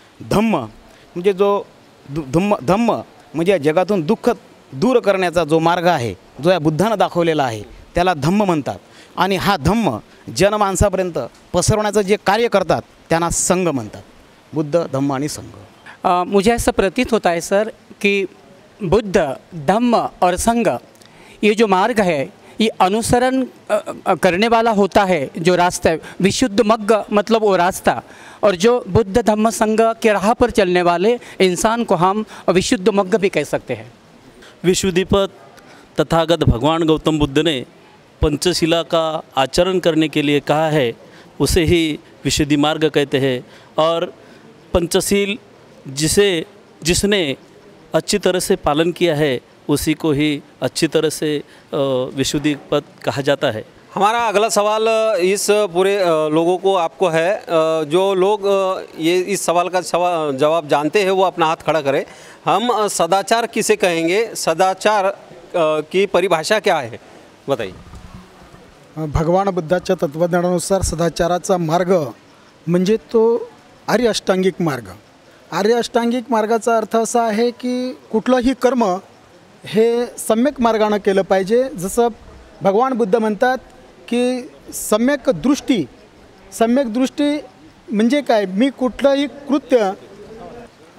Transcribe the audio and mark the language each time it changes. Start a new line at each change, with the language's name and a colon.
Marathi: धम्म म्हणजे जो धम्म म्हणजे जगातून दुःख दूर करण्याचा जो मार्ग आहे, जो या बुद्धानं दाखवलेला आहे, त्याला धम्म म्हणतात। आणि हा धम्म जनमानसापर्यंत पसरवण्याचं जे कार्य करतात त्यांना संघ म्हणतात, बुद्ध, धम्म आणि संघ।
Hindi: मुझे ऐसा प्रतीत होता है सर कि बुद्ध, धम्म और संघ, ये जो मार्ग है ये अनुसरण करने वाला होता है, जो रास्ता है विशुद्ध मग्ग मतलब वो रास्ता, और जो बुद्ध धम्म संघ के राह पर चलने वाले इंसान को हम विशुद्ध मग्ग भी कह सकते हैं। विश्वदीपत तथागत भगवान गौतम बुद्ध ने पंचशिला का आचरण करने के लिए कहा है, उसे ही विशुद्धि मार्ग कहते हैं। और पंचशील जिसने अच्छी तरह से पालन किया है उसी को ही अच्छी तरह से विशुद्धि पद कहा जाता है। हमारा अगला सवाल इस पूरे लोगों को आपको है, जो लोग ये इस सवाल का जवाब जानते हैं वो अपना हाथ खड़ा करें। हम सदाचार किसे कहेंगे, सदाचार की परिभाषा क्या है बताइए।
Marathi: भगवान बुद्धाच्या तत्वज्ञानानुसार सदाचाराचा मार्ग म्हणजे तो आर्य अष्टांगिक मार्गाचा अर्थ असा आहे की कुठलंही कर्म हे सम्यक मार्गानं केलं पाहिजे। जसं भगवान बुद्ध म्हणतात की सम्यक दृष्टी म्हणजे काय, मी कुठलंही कृत्य